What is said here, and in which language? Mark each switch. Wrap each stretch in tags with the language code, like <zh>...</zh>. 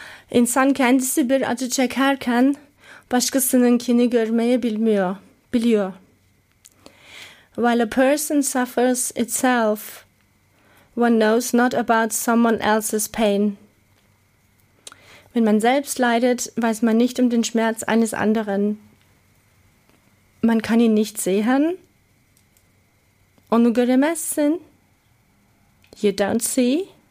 <tr>İnsan kendisi bir acı çekerken başkasınınkini görmeyi biliyor.</tr> <en>While a person suffers itself, one knows not about someone else's pain.</en> <de>Wenn man selbst leidet, weiß man nicht um den Schmerz eines anderen. Man kann ihn nicht sehen.</de> <tr>Onu göremezsin.</tr> <en>You don't see.</en>